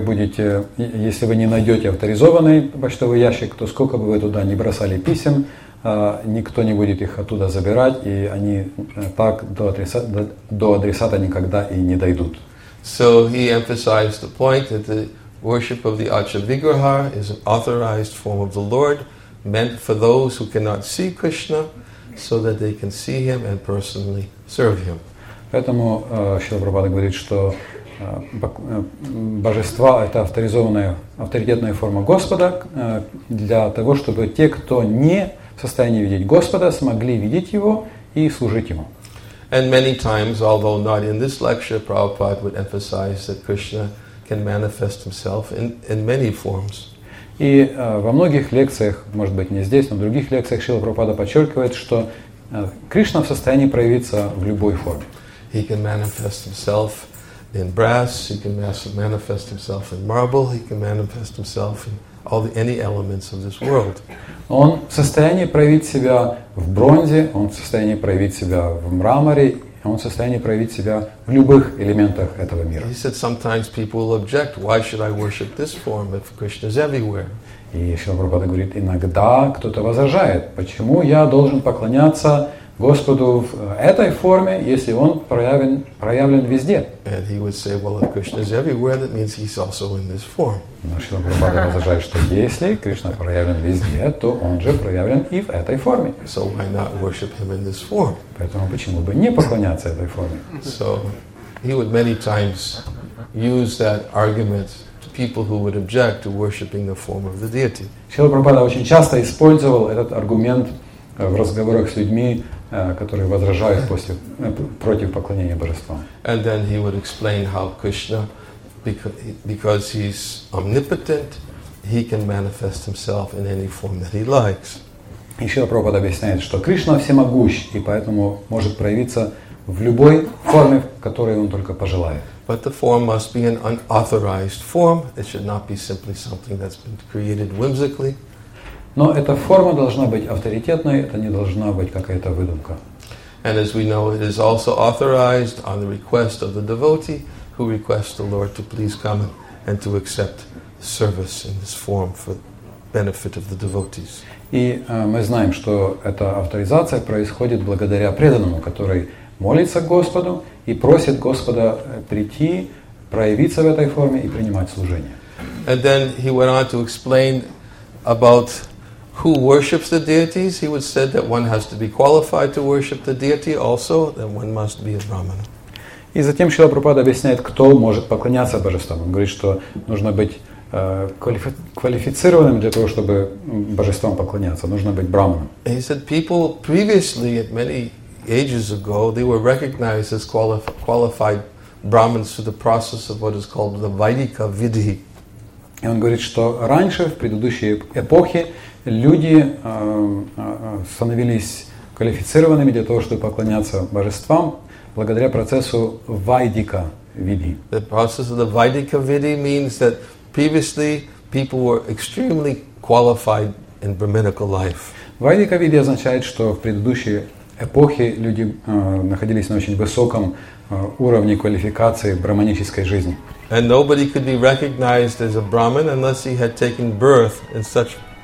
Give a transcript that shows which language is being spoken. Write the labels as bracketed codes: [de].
[ru] Если вы не найдете авторизованный почтовый ящик, то сколько бы вы туда ни бросали писем, никто не будет их оттуда забирать, и они так до адресата никогда и не дойдут. [en] So he emphasized the point that the worship of the Acha-Vigraha is an authorized form of the Lord, meant for those who cannot see Krishna, so that they can see him and personally serve him. [ru] Поэтому Шрила Прабхупада говорит, что божества — это авторизованная, авторитетная форма Господа для того, чтобы те, кто не в состоянии видеть Господа, смогли видеть Его и служить Ему. [en] And many times, although not in this lecture, Prabhupada would emphasize that Krishna can manifest Himself in many forms. [ru] И во многих лекциях, может быть, не здесь, но в других лекциях Шрила Прабхупада подчеркивает, что Кришна в состоянии проявиться в любой форме. [en] He can manifest himself in brass, he can manifest himself in marble, he can manifest himself in all the any elements of this world. [ru] Он в состоянии проявить себя в бронзе, он в состоянии проявить себя в мраморе, он в состоянии проявить себя в любых элементах этого мира. [en] He said sometimes people will object, why should I worship this form if Krishna is everywhere? [ru] И Шрила Прабхупада говорит, иногда кто-то возражает, почему я должен поклоняться Господу в этой форме, если Он проявлен везде. [en] And he would say, well, if Krishna is everywhere, that means He's also in this form. [ru] Но Шрила Прабхупада возражает, что если Кришна проявлен везде, то Он же проявлен и в этой форме. [en] So why not worship Him in this form? [ru] Поэтому почему бы не поклоняться этой форме? [en] So he would many times use that argument to people who would object to worshiping the form of the deity. [ru] Шрила Прабхупада очень часто использовал этот аргумент в разговорах с людьми, которые возражают против поклонения божествам. [en] And then he would explain how Krishna, because he's omnipotent, he can manifest himself in any form that he likes. [ru] И Шрила Прабхупада объясняет, что Кришна всемогущ, и поэтому может проявиться в любой форме, в которой он только пожелает. [en] But the form must be an unauthorized form. It should not be simply something that's been created whimsically. [ru] Но эта форма должна быть авторитетной, это не должна быть какая-то выдумка. [en] And as we know, it is also authorized on the request of the devotee who requests the Lord to please come and to accept service in this form for benefit of the devotees. [ru] И мы знаем, что эта авторизация происходит благодаря преданному, который молится Господу и просит Господа прийти, проявиться в этой форме и принимать служение. [en] And then he went on to explain about who worships the deities. He would say that one has to be qualified to worship the deity also, then one must be a brahmana. [ru] И затем Шрила Прабхупада объясняет, кто может поклоняться божествам. Он говорит, что нужно быть квалифицированным для того, чтобы божествам поклоняться. Нужно быть брахманом. [en] He said people previously, at many ages ago, they were recognized as qualified brahmins through the process of what is called the Vaidika Vidhi. [ru] И он говорит, что раньше, в предыдущие эпохи, люди становились квалифицированными для того, чтобы поклоняться божествам, благодаря процессу Vaidika Vidhi. [en] The process of the Vaidika Vidhi means that previously people were extremely qualified in brahminical life. [ru] Vaidika Vidhi означает, что в предыдущие эпохи люди находились на очень высоком уровне квалификации брахманической жизни. [en] And nobody could be recognized as a Brahmin unless he had taken birth in such...